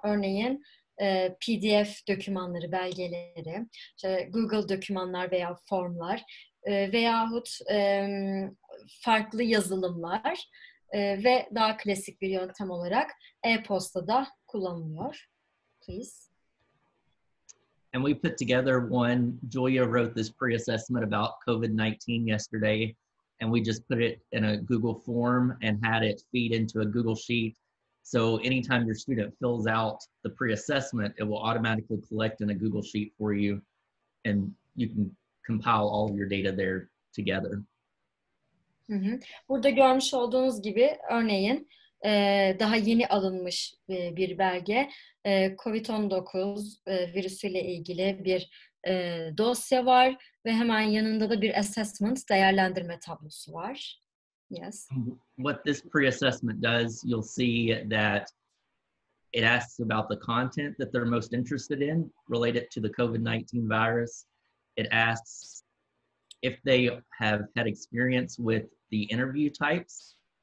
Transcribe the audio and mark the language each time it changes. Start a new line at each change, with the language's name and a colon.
Turkish: Örneğin PDF dokümanları, belgeleri, işte Google dokümanlar veya formlar veyahut farklı yazılımlar ve daha klasik bir yöntem olarak e-posta da kullanılıyor.
English: Please. And we put together one, Julia wrote this pre-assessment about COVID-19 yesterday, and we just put it in a Google form and had it feed into a Google sheet. So anytime your student fills out the pre-assessment, it will automatically collect in a Google sheet for you, and you can compile all of your data there together.
Turkish: Burada görmüş olduğunuz gibi örneğin, daha yeni alınmış bir belge, COVID-19 virüsüyle ilgili bir dosya var ve hemen yanında da bir assessment, değerlendirme tablosu var.
English: Yes. What this pre-assessment does, you'll see that it asks about the content that they're most interested in related to the COVID-19 virus. It asks if they have had experience with the interview types.